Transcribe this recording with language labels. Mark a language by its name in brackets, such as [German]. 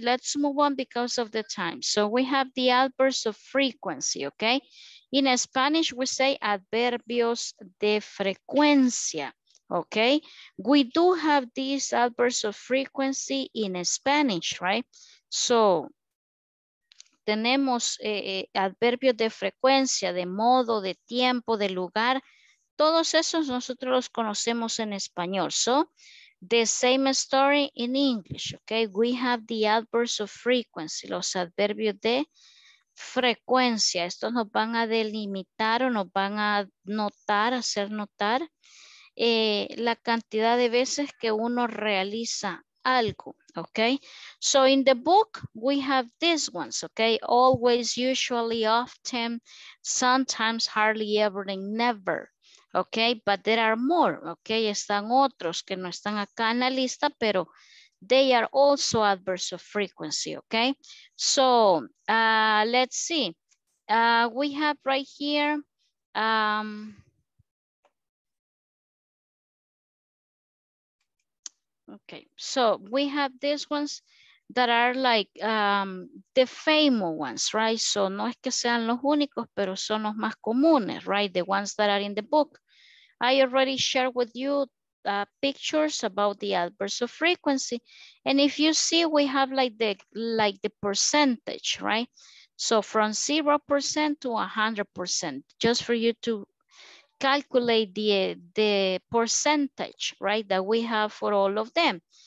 [English] Let's move on because of the time. So we have the adverbs of frequency, okay? In Spanish, we say [Spanish] adverbios de frecuencia, [English] okay? We do have these adverbs of frequency in Spanish, right? [Spanish] So, tenemos adverbios de frecuencia, de modo, de tiempo, de lugar. Todos esos nosotros los conocemos en español. [English] So, the same story in English, okay? We have the adverbs of frequency, [Spanish] los adverbios de frecuencia. Estos nos van a delimitar o nos van a notar, hacer notar la cantidad de veces que uno realiza algo, okay? [English] So in the book we have these ones, okay? Always, usually, often, sometimes, hardly ever, and never, okay? But there are more, okay? [Spanish] Están otros que no están acá en la lista, pero [English] they are also adverbs of frequency, okay? So, let's see. We have right here, okay, so we have these ones that are like the famous ones, right? [Spanish] So, no es que sean los únicos, pero son los más comunes, right? [English] The ones that are in the book. I already shared with you pictures about the adverbs of frequency. And if you see, we have like the percentage, right? So from 0% to 100%, just for you to calculate the percentage, right, that we have for all of them.